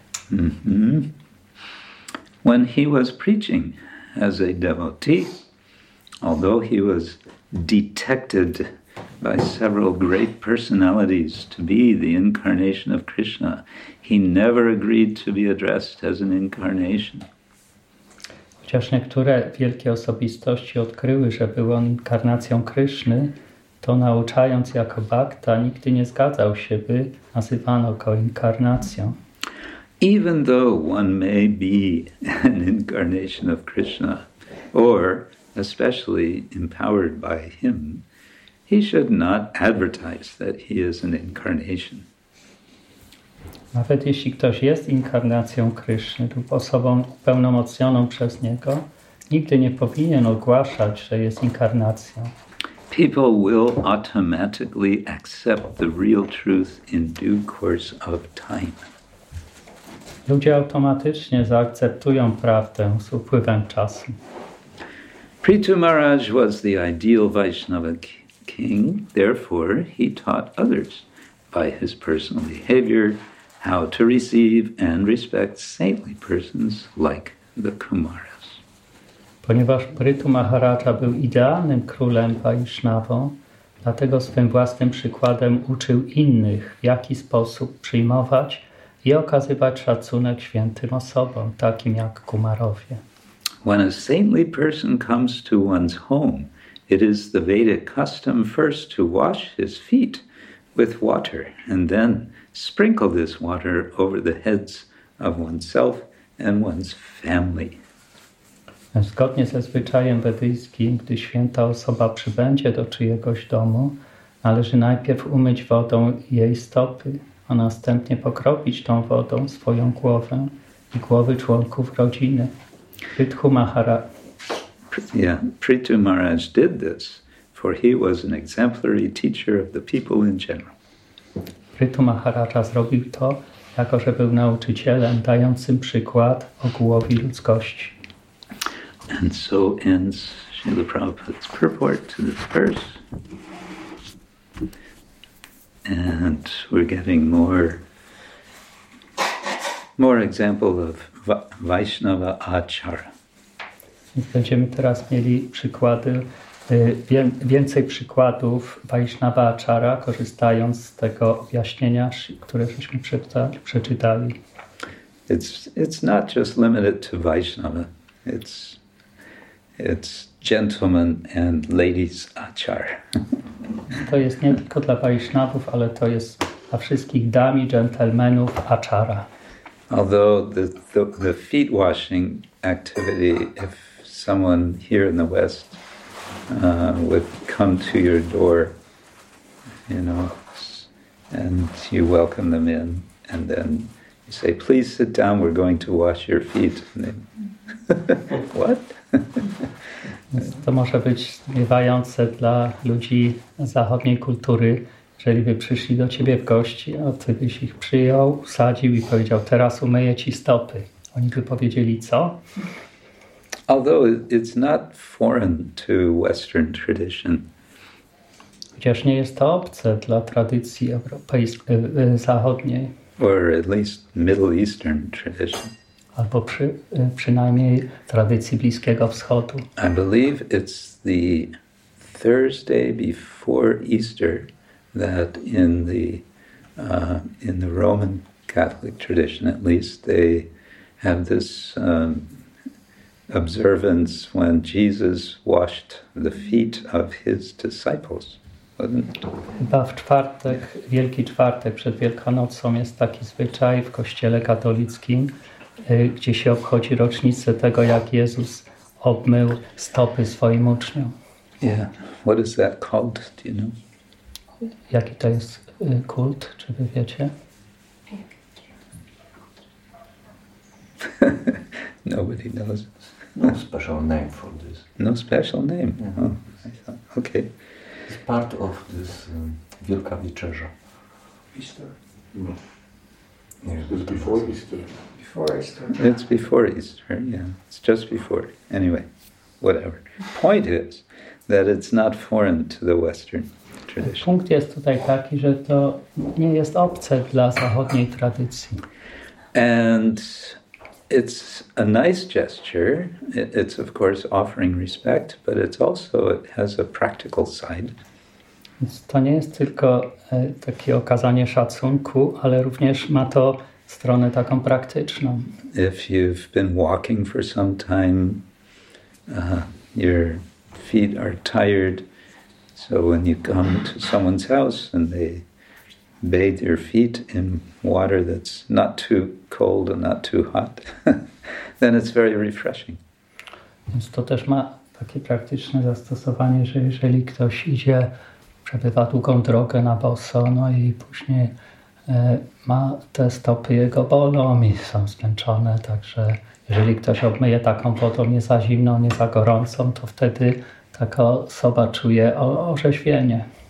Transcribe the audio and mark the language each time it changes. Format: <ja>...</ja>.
<en>Mm-hmm. When he was preaching as a devotee, although he was detected by several great personalities to be the incarnation of Krishna, he never agreed to be addressed as an incarnation.</en> <pl>Chociaż niektóre wielkie osobistości odkryły, że był on inkarnacją Kryszny, to nauczając jako Bhakta, nigdy nie zgadzał się, by nazywano go inkarnacją.</pl> <en>Even though one may be an incarnation of Krishna, or especially empowered by him, he should not advertise that he is an incarnation.</en> <pl>Nawet jeśli ktoś jest inkarnacją Kryszny lub osobą pełnomocnioną przez Niego, nigdy nie powinien ogłaszać, że jest inkarnacją.</pl> <en>People will automatically accept the real truth in due course of time.</en> <pl>Ludzie automatycznie zaakceptują prawdę z upływem czasu.</pl> <en>Prithu Maharaj was the ideal Vaishnava king, therefore he taught others by his personal behavior how to receive and respect saintly persons like the Kumaras.</en> <pl>Ponieważ Prithu Maharaja był idealnym królem Vaishnavą, dlatego swym własnym przykładem uczył innych, w jaki sposób przyjmować i okazywać szacunek świętym osobom, takim jak Kumarowie.</pl> <en>When a saintly person comes to one's home, it is the Vedic custom first to wash his feet with water and then sprinkle this water over the heads of oneself and one's family.</en> <pl>Zgodnie ze zwyczajem wedyjskim, gdy święta osoba przybędzie do czyjegoś domu, należy najpierw umyć wodą jej stopy, a następnie pokropić tą wodą swoją głowę i głowy członków rodziny.</pl> <en>Prithu Maharaj. Yeah, Prithu Maharaj did this, for he was an exemplary teacher of the people in general.</en> <pl>Prithu Maharaj zrobił to, jako że był nauczycielem dającym przykład ogółowi ludzkości.</pl> <en>And so ends Srila Prabhupada's purport to this verse. And we're getting more example of Vaishnava Achara.</en> <pl>Będziemy teraz mieli przykłady, więcej przykładów Vaishnava Achara, korzystając z tego objaśnienia, które żeśmy przeczytali.</pl> <en>It's not just limited to Vaishnava. It's gentlemen and ladies Achara.</en> <pl>To jest nie tylko dla Vaishnavów, ale to jest dla wszystkich dam i dżentelmenów Achara.</pl> <en>Although the feet washing activity, if someone here in the West would come to your door, you know, and you welcome them in, and then you say, please sit down, we're going to wash your feet. And they, what?</en> <pl>To może być zmiewające dla ludzi zachodniej kultury. Jeżeli by przyszli do ciebie w gości, a ty byś ich przyjął, usadził i powiedział, teraz umyję ci stopy. Oni by powiedzieli, co?</pl> <en>Although it's not foreign to Western tradition.</en> <pl>Chociaż nie jest to obce dla tradycji zachodniej.</pl> <en>Or at least Middle Eastern tradition.</en> <pl>Albo przynajmniej tradycji Bliskiego Wschodu.</pl> <en>I believe it's the Thursday before Easter that in the Roman Catholic tradition, at least, they have this observance when Jesus washed the feet of his disciples.</en> <pl>Chyba w czwartek, Wielki Czwartek, przed Wielkanocą jest taki zwyczaj w Kościele katolickim, gdzie się obchodzi rocznicę tego, jak Jezus obmył stopy swoim uczniom.</pl> <en>Yeah, what is that called, do you know?</en> <pl>Jaki to jest kult, czy wy wiecie?</pl> <en>Nobody knows. No special name for this. No special name? Mm-hmm. Oh, I thought, okay. It's part of this Wielka Wieczerza. Easter? No. Yeah, it's before Easter. Before Easter. It's before Easter, yeah. It's just before. Anyway, whatever. Point is that it's not foreign to the Western tradition.</en> <pl>Punkt jest tutaj taki, że to nie jest obce dla zachodniej tradycji.</pl> <en>And it's a nice gesture. It's of course offering respect, but it's also, it has a practical side.</en> <pl>To nie jest tylko takie okazanie szacunku, ale również ma to stronę taką praktyczną.</pl> <en>If you've been walking for some time, your feet are tired, so when you come to someone's house and they bathe your feet in water that's not too cold and not too hot, then it's very refreshing.</en> <pl>Więc to też ma takie praktyczne zastosowanie, że jeżeli ktoś idzie, przebywa długą drogę na boso, no i później ma te stopy, jego bolą i są zmęczone, także jeżeli ktoś obmyje taką wodą nie za zimną, nie za gorącą, to wtedy taka osoba czuje orzeźwienie.</pl>